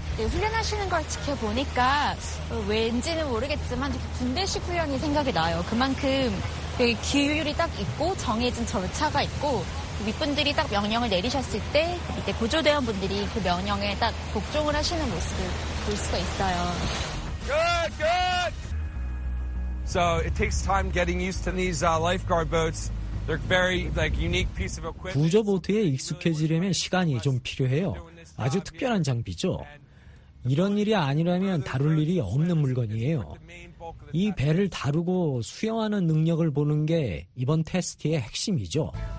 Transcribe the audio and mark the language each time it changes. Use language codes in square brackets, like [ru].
[ko] 네, 훈련하시는 걸 지켜보니까 왠지는 모르겠지만 군대식 훈련이 생각이 나요. 그만큼 규율이 딱 있고 정해진 절차가 있고 윗분들이 딱 명령을 내리셨을 때 이때 구조대원분들이 그 명령에 딱 복종을 하시는 모습을 볼 수가 있어요. [en] Good, good. So it takes time getting used to these lifeguard boats. They're very like unique piece of equipment. [ko] 구조 보트에 익숙해지려면 시간이 좀 필요해요. 아주 특별한 장비죠. 이런 일이 아니라면 다룰 일이 없는 물건이에요. 이 배를 다루고 수영하는 능력을 보는 게 이번 테스트의 핵심이죠.